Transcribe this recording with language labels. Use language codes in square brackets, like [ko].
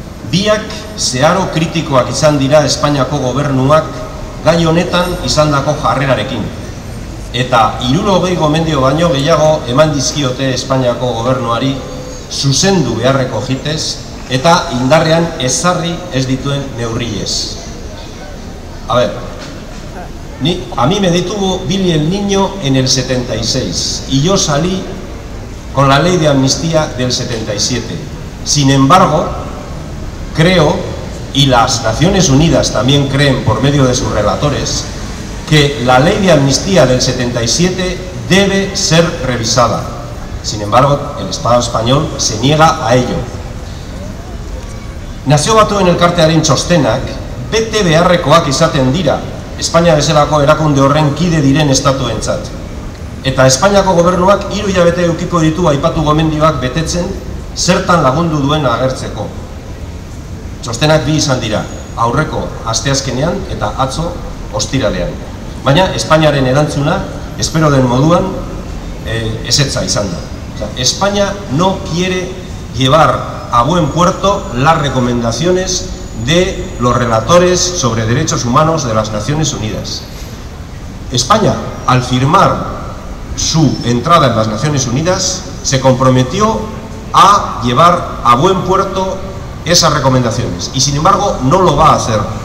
[eu] Biak zeharo kritikoak izan dira Espainiako gobernuak gai honetan izandako jarrerarekin. Eta 60 gomendio baino gehiago eman dizkiote Espainiako gobernuari zuzendu beharreko jitez eta indarrean ezarri ez dituen neurriez. [es] Aber, a mí me detuvo Billy el Niño en el 76 y yo salí con la ley de amnistía del 77. Sin embargo, creo, y las Naciones Unidas también creen por medio de sus relatores, que la ley de amnistía del 77 debe ser revisada. Sin embargo, el Estado español se niega a ello. [eu] Nazio Batuen elkartearen txostenak, bete beharrekoak izaten dira, Espainia bezalako erakunde horren kide diren estatuentzat. Eta Espainiako gobernuak hiru hilabete edukiko ditu aipatu gomendioak betetzen, zertan lagundu duen agertzeko. Txostenak bi izan dira, aurreko asteazkenean eta atzo ostiralean. Baina Espainiaren erantzuna, espero den moduan, ezetza izan da. [es] España no quiere llevar a buen puerto las recomendaciones de los relatores sobre derechos humanos de las Naciones Unidas. España, al firmar su entrada en las Naciones Unidas, se comprometió a llevar a buen puerto esas recomendaciones y, sin embargo, no lo va a hacer.